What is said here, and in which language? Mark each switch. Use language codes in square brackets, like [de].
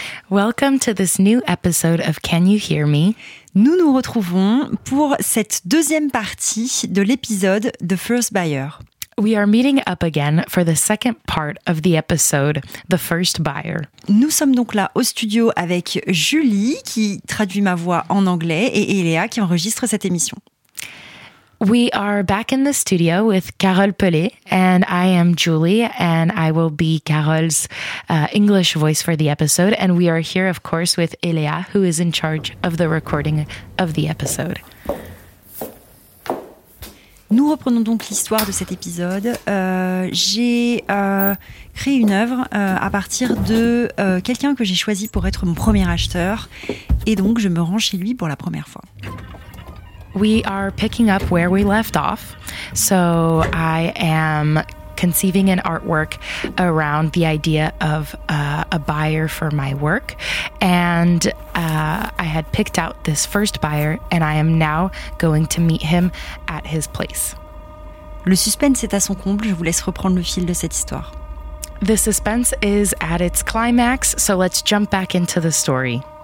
[en] Welcome to this new episode of Can You Hear Me? [fr] Nous nous retrouvons pour cette deuxième partie de l'épisode The First Buyer. [en] We are meeting up again for the second part of the episode, The First Buyer. [fr] Nous sommes donc là au studio avec Julie qui traduit ma voix en anglais et Eléa qui enregistre cette émission. [en] We are back in the studio with Carole Pellet, and I am Julie, and I will be Carole's English voice for the episode. And we are here, of course, with Eléa, who is in charge of the recording of the episode. [fr] Nous reprenons donc l'histoire de cet épisode. J'ai créé une œuvre à partir de quelqu'un que j'ai choisi pour être mon premier acheteur, et donc je me rends chez lui pour la première fois. [en] We are picking up where we left off. So I am conceiving an artwork around the idea of a buyer for my work. And I had picked out this first buyer and I am now going to meet him at his place. [fr] Le suspense est à son comble, je vous laisse reprendre le fil de cette histoire. [en] The suspense is at its climax, so let's jump back into the story.